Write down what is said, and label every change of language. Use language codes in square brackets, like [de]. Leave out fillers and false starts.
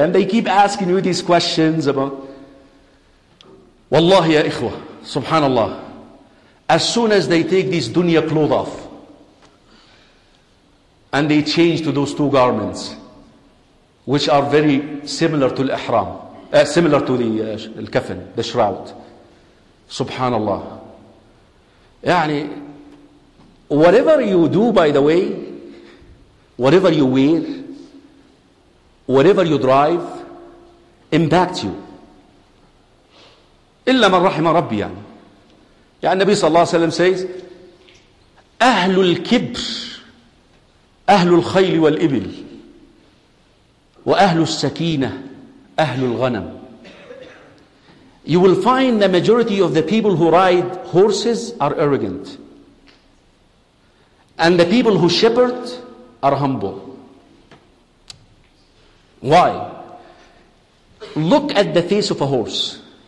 [en] And they keep asking you these questions about, [ar] Wallahi ya ikhwa, [en] subhanallah, as soon as they take these dunya clothes off, and they change to those two garments, which are very similar to al-ihram, similar to the al-kafan, the shroud, subhanallah. [ar] يعني, [en] whatever you do, by the way, whatever you wear, whatever you drive, impacts you. [ar] إِلَّا مَنْ رَحِمَ رَبِّي يعني. يعني النبي صلى الله عليه وسلم [en] says, [ar] أهل الكبر أهل الخيل والإبل وأهل السكينة أهل الغنم. [en] You will find the majority of the people who ride horses are arrogant. And the people who shepherd are humble. Why? Look at the face of a horse.